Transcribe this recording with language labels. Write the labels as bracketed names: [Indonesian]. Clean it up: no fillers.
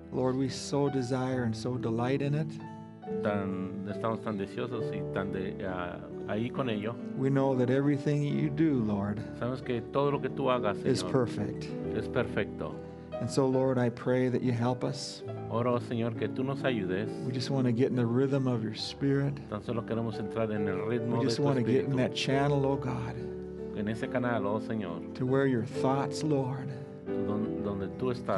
[English] Lord, we so desire and so delight in it. [Spanish] Estamos tan deseosos y tan de ahí con ello. [English] We know that everything you do, Lord, [Spanish] sabemos que todo lo que tú hagas, Señor, [English] is perfect. [Spanish] Es perfecto. [English] And so, Lord, I pray that you help us. [Spanish] Oro, Señor, que tú nos ayudes. [English] We just want to get in the rhythm of your spirit. [Spanish] Tan solo queremos entrar en el ritmo de tu espíritu. [English] We just want to get in that channel, oh God. [Spanish] En ese canal, oh Señor. [English] To where your thoughts, Lord, [Spanish] donde tú estás,